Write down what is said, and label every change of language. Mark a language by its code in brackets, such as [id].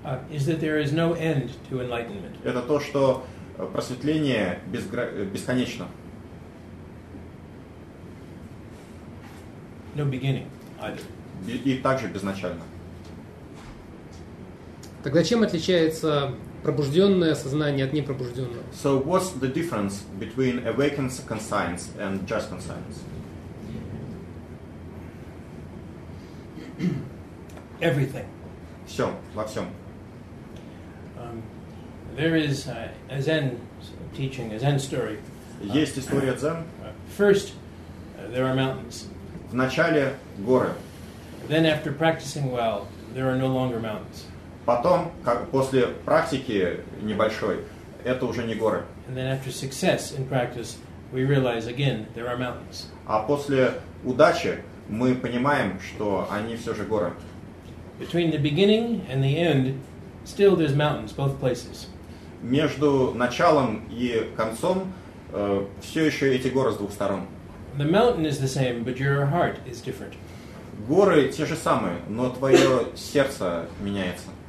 [en] is that there is no end to enlightenment. [ru] Это то, что просветление бесконечно. [en] No beginning either. [ru] И также безначально. Тогда чем отличается пробужденное сознание от непробужденного? [en] So what's the difference between awakened conscience and just conscience? Everything. [ru] Все, во всем. [en] There is a Zen teaching, a Zen story. [ru] Есть история дзен. [en] First, there are mountains. [ru] Вначале горы. [en] Then after practicing well, there are no longer mountains. [ru] Потом, как после практики небольшой, это уже не горы. [en] And then after success in practice, we realize again there are mountains. [ru] А после удачи мы понимаем, что они все же горы. [en] Between the beginning and the end, still there's mountains, both places. [ru] Между началом и концом все еще эти горы с двух сторон. [en] The mountain is the same, but your heart is different. [ru] Горы те же самые, но твое сердце меняется.